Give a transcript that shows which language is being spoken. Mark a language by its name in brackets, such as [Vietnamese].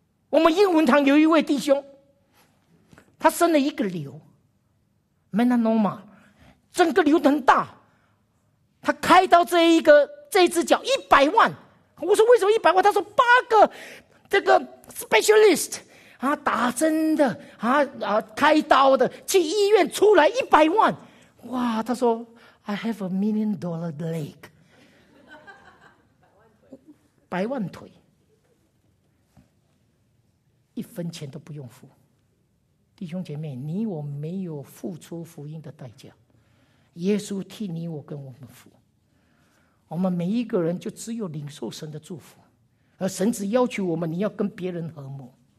[Chinese] 我们英文堂有一位弟兄，他生了一个瘤 ，melanoma， 整个瘤很大。他开刀这一只脚100万，我说为什么100万？他说8个这个 specialist 啊，打针的啊开刀的，去医院出来100万，哇！他说 [English] I have $1 million leg。 [Chinese] 百万腿，一分钱都不用付。弟兄姐妹，你我没有付出福音的代价，耶稣替你我跟我们付。我们每一个人就只有领受神的祝福，而神只要求我们你要跟别人和睦。